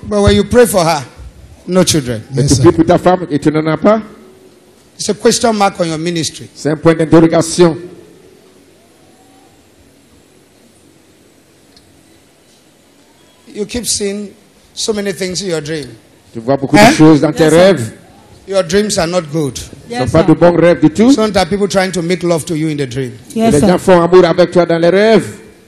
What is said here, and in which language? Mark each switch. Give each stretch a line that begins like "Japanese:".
English: But when you pray for her, no children. Yes, sir. Pray for
French: femme et tu n'en as pas?
English: It's a question mark on your ministry.
French: C'est un point d'interrogation.
English: You keep seeing so many things in your dream.
French: Tu vois beaucoup de choses dans tes rêves.
English: Your dreams are not good. Yes, sir.
French: Pas de bons rêves du tout.
English: Sometimes people trying to make love to you in the dream. Yes,
French: les gens font amour avec toi dans les rêves.